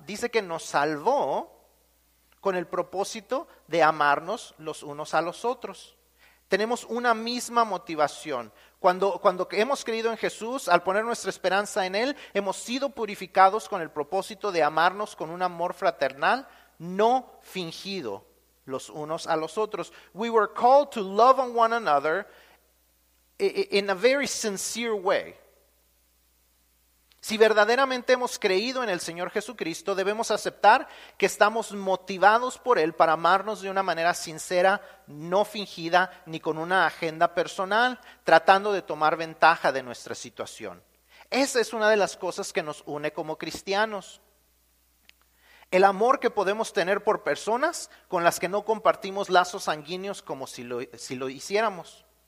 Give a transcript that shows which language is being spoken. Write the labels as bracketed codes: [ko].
[es] Dice que nos salvó con el propósito de amarnos los unos a los otros. Tenemos una misma motivación. Cuando hemos creído en Jesús, al poner nuestra esperanza en Él, hemos sido purificados con el propósito de amarnos con un amor fraternal no fingido. Los unos a los otros. [en] We were called to love on one another in a very sincere way. [es] Si verdaderamente hemos creído en el Señor Jesucristo, debemos aceptar que estamos motivados por Él para amarnos de una manera sincera, no fingida, ni con una agenda personal, tratando de tomar ventaja de nuestra situación. Esa es una de las cosas que nos une como cristianos. El amor que podemos tener por personas con las que no compartimos lazos sanguíneos como si lo hiciéramos.